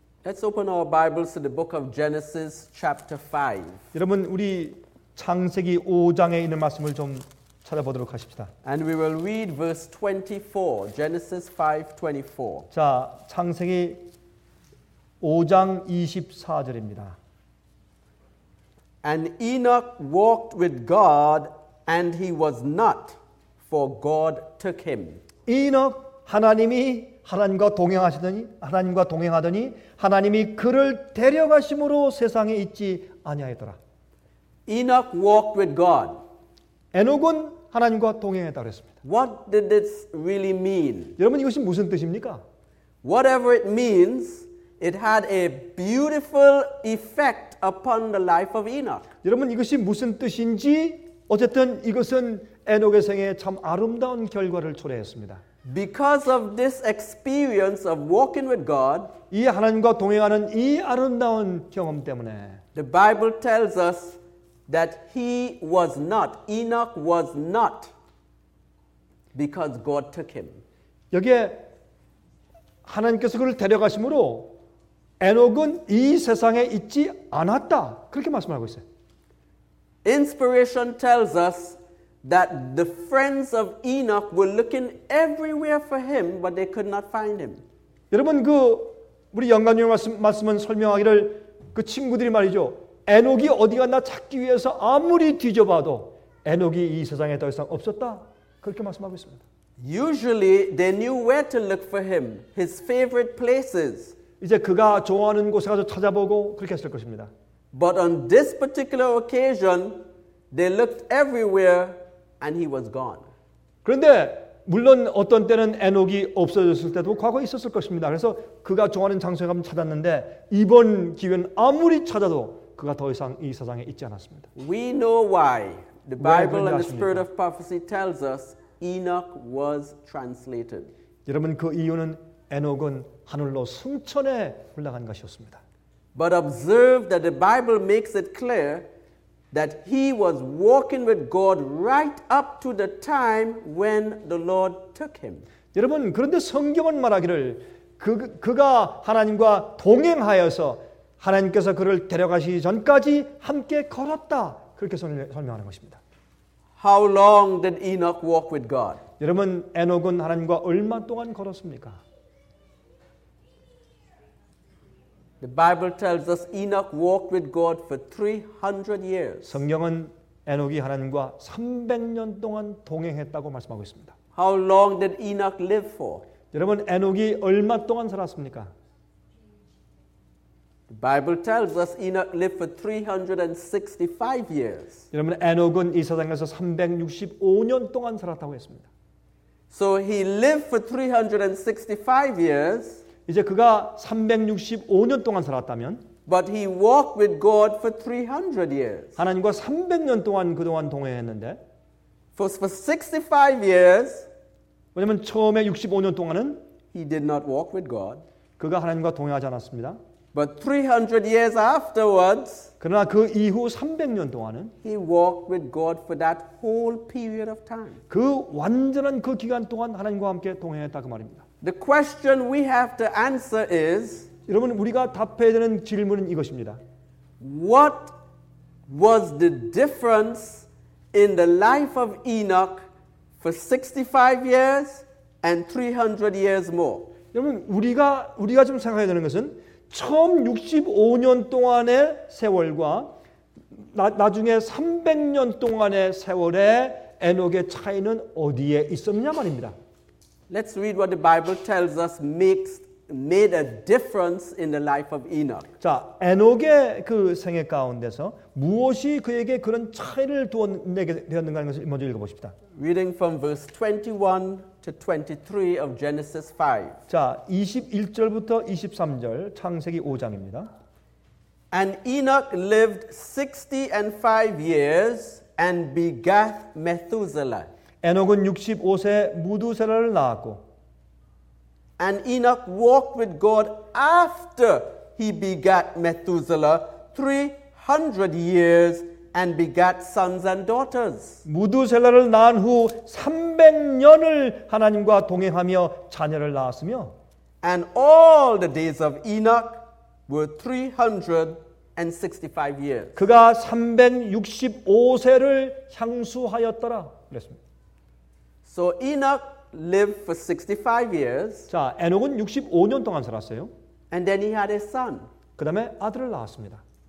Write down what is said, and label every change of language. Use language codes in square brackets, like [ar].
[en] Let's open our Bibles to the book of Genesis chapter 5. [ko] 여러분 우리 창세기 5장에 있는 말씀을 좀 찾아보도록 하십시다. [en] And we will read verse 24, Genesis 5:24. [ko] 자, 창세기 5장 24절입니다. [en] And Enoch walked with God and he was not, for God took him. [ko] 이녹 하나님이 하나님과 동행하시더니 하나님과 동행하더니 하나님이 그를 데려가심으로 세상에 있지 아니하였더라. [en] Enoch walked with God. [ko] 에녹은 하나님과 동행했다 그랬습니다. [en] What did this really mean? [ko] 여러분 이것이 무슨 뜻입니까? [en] Whatever it means, it had a beautiful effect upon the life of Enoch. [ko] 여러분 이것이 무슨 뜻인지 어쨌든 이것은 에녹의 생에 참 아름다운 결과를 초래했습니다. [en] Because of this experience of walking with God, [ko] 이 하나님과 동행하는 이 아름다운 경험 때문에, [en] the Bible tells us that he was not, Enoch was not, because God took him. [ko] 여기에 하나님께서 그를 데려가심으로 에녹은 이 세상에 있지 않았다 그렇게 말씀하고 있어요. [en] Inspiration tells us that the friends of Enoch were looking everywhere for him, but they could not find him. [ko] 여러분 그 우리 영감님 말씀은 설명하기를 그 친구들이 말이죠. 에녹이 어디 갔나 찾기 위해서 아무리 뒤져봐도 에녹이 이 세상에 더 이상 없었다 그렇게 말씀하고 있습니다. [en] Usually they knew where to look for him, his favorite places. [ko] 이제 그가 좋아하는 곳에 가서 찾아보고 그렇게 했을 것입니다. [en] But on this particular occasion, they looked everywhere and he was gone. [ko] 그런데 물론 어떤 때는 에녹이 없어졌을 때도 과거에 있었을 것입니다. 그래서 그가 좋아하는 장소에 가면 찾았는데 이번 기회는 아무리 찾아도 그가 더 이상 이 세상에 있지 않았습니다. [en] We know why. The Bible and the Spirit of Prophecy tells us Enoch was translated. [ko] 여러분 그 이유는 에녹은 하늘로 승천에 올라간 것이었습니다. [en] But observe that the Bible makes it clear that he was walking with God right up to the time when the Lord took him. [ko] 여러분 그런데 성경은 말하기를 그가 하나님과 동행하여서 하나님께서 그를 데려가시기 전까지 함께 걸었다. 그렇게 설명하는 것입니다. [en] How long did Enoch walk with God? [ko] 여러분 에녹은 하나님과 얼마 동안 걸었습니까? [en] The Bible tells us Enoch walked with God for 300 years. [ko] 성경은 에녹이 하나님과 300년 동안 동행했다고 말씀하고 있습니다. [en] How long did Enoch live for? [ko] 여러분 에녹이 얼마 동안 살았습니까? [en] The Bible tells us Enoch lived for 365 years. [ko] 여러분 에녹은 이 세상에서 365년 동안 살았다고 했습니다. [en] So he lived for 365 years. [ko] 이제 그가 365년 동안 살았다면 [en] But he walked with God for 300 years. [ko] 하나님과 300년 동안 그동안 동행했는데 [en] For 65 years. [ko] 왜냐면 처음에 65년 동안은 [en] he did not walk with God. [ko] 그가 하나님과 동행하지 않았습니다. [en] But 300 years afterwards. [ko] 그러나 그 이후 300년 동안은 [en] he walked with God for that whole period of time. [ko] 그 완전한 그 기간 동안 하나님과 함께 동행했다 그 말입니다. [en] The question we have to answer is [ko] 여러분 우리가 답해야 되는 질문은 이것입니다. [en] What was the difference in the life of Enoch for 65 years and 300 years more? [ko] 여러분 우리가 좀 생각해야 되는 것은 처음 65년 동안의 세월과 나중에 300년 동안의 세월의 에녹의 차이는 어디에 있었냐 말입니다. [en] Let's read what the Bible tells us made a difference in the life of Enoch. [ko] 자, 에녹의 그 생애 가운데서 무엇이 그에게 그런 차이를 내게 되었는가 하는 것을 먼저 읽어봅시다. [en] Reading from verse 21 to 23 of Genesis 5. [ko] 자, 21절부터 23절 창세기 5장입니다. [en] And Enoch lived 65 years and begat Methuselah. [ko] 에녹은 65세 무두세라를 낳았고 [en] And Enoch walked with God after he begat Methuselah 300 years and begat sons and daughters. [ko] 무두세라를 낳은 후 300년을 하나님과 동행하며 자녀를 낳았으며 [en] And all the days of Enoch were 365 years. [ko] 그가 365세를 향수하였더라 그랬습니다. [en] So Enoch lived for 65 years. [ko] 자, 에녹은 65년 동안 살았어요. [en] And then he had a son. [ko] 그다음에 아들을 낳았습니다.